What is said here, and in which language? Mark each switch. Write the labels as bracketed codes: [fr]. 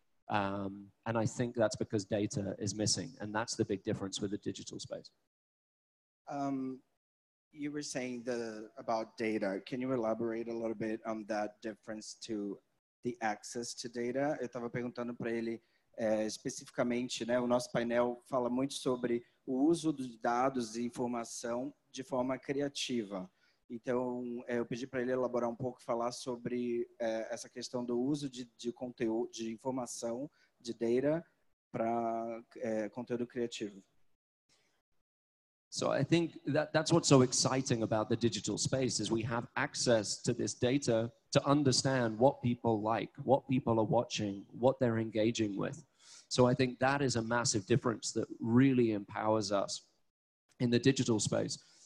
[en] And I think that's because data is missing. And that's the big difference with the digital space. You were saying about data. Can you elaborate a little bit on that difference to the access to data? [pt] Eu estava perguntando para ele especificamente, né? O nosso painel fala muito sobre o uso dos dados e informação de forma criativa. Então, eu pedi para ele elaborar um pouco, falar sobre essa questão do uso de conteúdo, de informação, de data para conteúdo criativo. [en] So I think that's what's so exciting about the digital space is we have access to this data to understand what people like, what people are watching, what they're engaging with. So I think that is a massive difference that really empowers us in the digital space.